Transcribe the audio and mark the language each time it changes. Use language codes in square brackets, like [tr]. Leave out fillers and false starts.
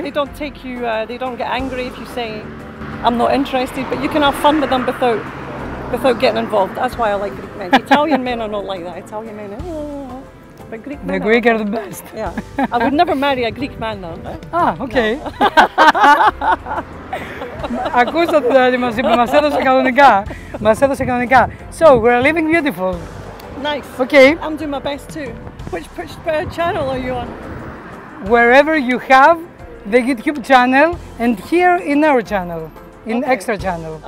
[en] they don't take you, they don't get angry if you say, I'm not interested, but you can have fun with them without getting involved. That's why I like Greek men. Italian men are not like that. Italian men are, oh, but Greek men the Greek are the best. Yeah. I would never marry a Greek man though. No? Ah, okay. No. [el] Ακούσατε ότι μας είπε, μας έδωσε κανονικά, μας έδωσε κανονικά. [en] So, we're living beautiful. Nice. Okay. I'm doing my best too. Which channel are you on? Wherever you have the YouTube channel and here in our channel, in okay. extra channel.